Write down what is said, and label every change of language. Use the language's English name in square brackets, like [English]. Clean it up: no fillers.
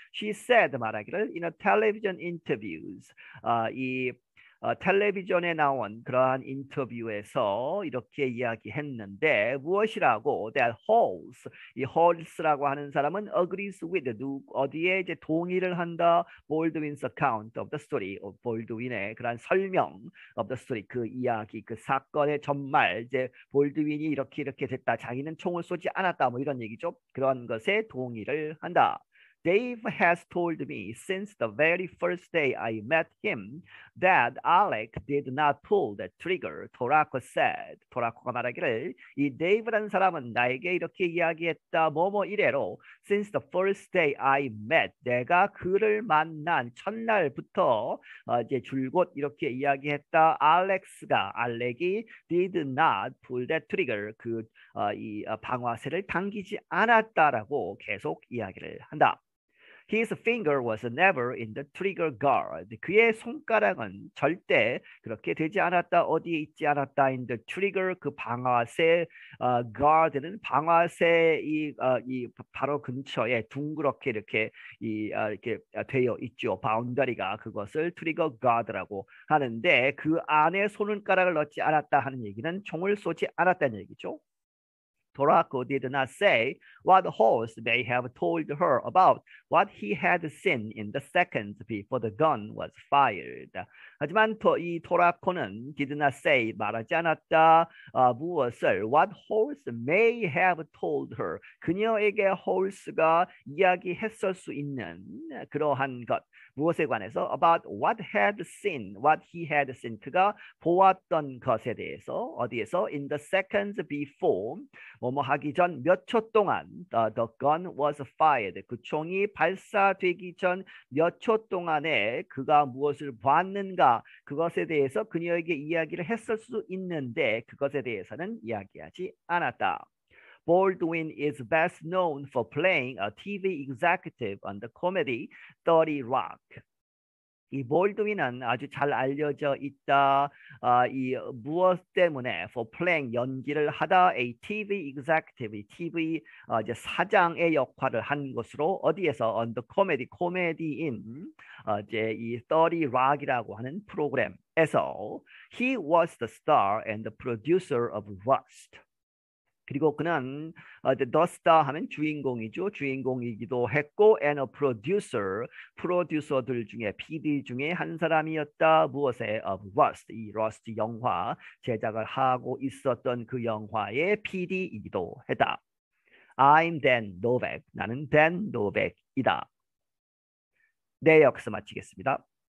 [English] She said [Korean] 말하기를 [English] in a television interviews [Korean] 텔레비전에 나온 그러한 인터뷰에서 이렇게 이야기했는데 무엇이라고 [English] that Halls, [Korean] 이 Halls라고 하는 사람은 [English] agrees with [Korean] 어디에 이제 동의를 한다 [English] Baldwin's account of the story [Korean] of Baldwin의 그러한 설명 [English] of the story [Korean] 그 이야기 그 사건의 전말 이제 Baldwin이 이렇게 이렇게 됐다 자기는 총을 쏘지 않았다 뭐 이런 얘기죠 그런 것에 동의를 한다. [English] Dave has told me since the very first day I met him that Alec did not pull the trigger, Toraco said. [Korean] Toraco가 말하기를 이 Dave라는 사람은 나에게 이렇게 이야기했다. 뭐뭐 이래로 [English] since the first day I met [Korean] 내가 그를 만난 첫날부터 이제 줄곧 이렇게 이야기했다. Alec이 [English] did not pull the trigger [Korean] 그 이 방아쇠를 당기지 않았다라고 계속 이야기를 한다. [English] His finger was never in the trigger guard. [Korean] 그의 손가락은 절대 그렇게 되지 않았다. 어디에 있지 않았다. [English] In the trigger, [Korean] 그 방아쇠 guard는 방아쇠 이 바로 근처에 둥그렇게 이렇게 이렇게 되어 있죠. Boundary가 그것을 trigger guard라고 하는데 그 안에 손가락을 넣지 않았다 하는 얘기는 총을 쏘지 않았다는 얘기죠. [English] Toraco did not say what Halls may have told her about what he had seen in the seconds before the gun was fired. [Korean] 하지만 이 토라코는 [English] did not say [Korean] 말하지 않았다 무엇을 [English] what Halls may have told her [Korean] 그녀에게 Halls가 이야기했을 수 있는 그러한 것 무엇에 관해서 [English] about what had seen, [Korean] what he had seen, 그가 보았던 것에 대해서 어디에서 [English] in the seconds before, [Korean] 뭐뭐 하기 전 몇 초 동안 [English] the gun was fired, [Korean] 그 총이 발사되기 전 몇 초 동안에 그가 무엇을 봤는가, 그것에 대해서 그녀에게 이야기를 했을 수 있는데 그것에 대해서는 이야기하지 않았다. [English] Baldwin is best known for playing a TV executive on the comedy 30 Rock. [Korean] 이 볼드윈은 아주 잘 알려져 있다. 이 무엇 때문에 [English] for playing [Korean] 연기를 하다 [English] a TV executive, [Korean] TV 이제 사장의 역할을 한 것으로 어디에서 [English] on the comedy, [Korean] 코미디인 이제 이 30 Rock이라고 하는 프로그램에서 [English] he was the star and the producer of Rust. [Korean] 그리고 그는 더스타 하면 주인공이죠. 주인공이기도 했고, [English] and a producer, [Korean] 프로듀서들 중에 PD 중에 한 사람이었다. 무엇에? [English] of Rust, [Korean] 이 러스트 영화 제작을 하고 있었던 그 영화의 PD이기도 했다. [English] I'm Dan Novak. [Korean] 나는 Dan Novak이다. 네, 여기서 마치겠습니다.